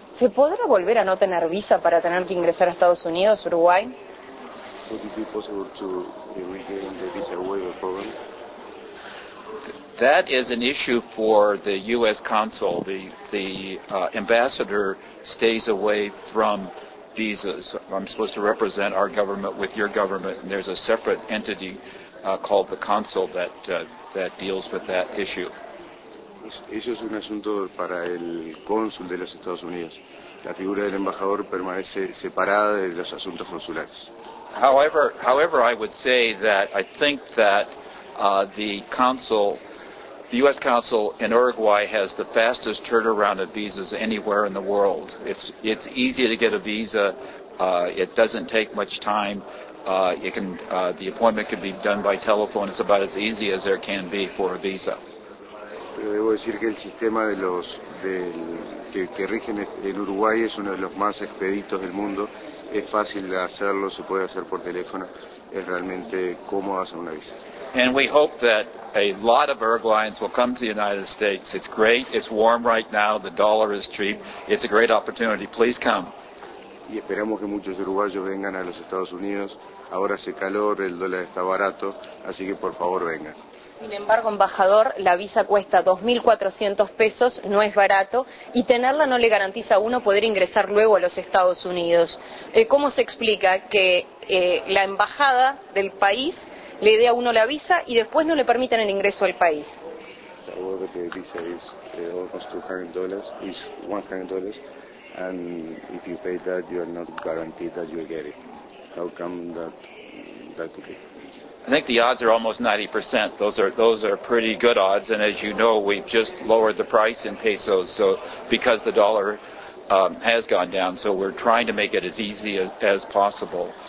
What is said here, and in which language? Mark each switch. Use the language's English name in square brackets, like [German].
[Spanish] ¿Se podrá volver a no tener visa para tener que ingresar a Estados Unidos, Uruguay? [English] Would it be possible to regain the visa waiver program? That is an issue for the U.S. consul. The ambassador stays away from visas. I'm supposed to represent our government with your government, and there's a separate entity called the consul that deals with that issue. [Spanish] Eso es un asunto para el cónsul de los Estados Unidos. La figura del embajador permanece separada de los asuntos consulares. [English] However, I would say that I think that the U.S. consul in Uruguay has the fastest turnaround of visas anywhere in the world. It's easy to get a visa. It doesn't take much time. The appointment can be done by telephone. It's about as easy as there can be for a visa. [Spanish] Pero debo decir que el sistema que rigen en Uruguay es uno de los más expeditos del mundo. Es fácil hacerlo, se puede hacer por teléfono. Es realmente cómodo hacer una visa. [English] And we hope that a lot of Uruguayans will come to the United States. It's great, it's warm right now, the dollar is cheap. It's a great opportunity. Please come. [Spanish] Y esperamos que muchos uruguayos vengan a los Estados Unidos. Ahora hace calor, el dólar está barato, así que por favor vengan. Sin embargo, embajador, la visa cuesta 2.400 pesos, no es barato, y tenerla no le garantiza a uno poder ingresar luego a los Estados Unidos. ¿Cómo se explica que la embajada del país le dé a uno la visa y después no le permiten el ingreso al país? La visa es [English] $200, and if you pay that, you are not guaranteed that you'll get it. How come that could be? I think the odds are almost 90%. Those are pretty good odds, and as you know, we've just lowered the price in pesos, so because the dollar has gone down, so we're trying to make it as easy as possible.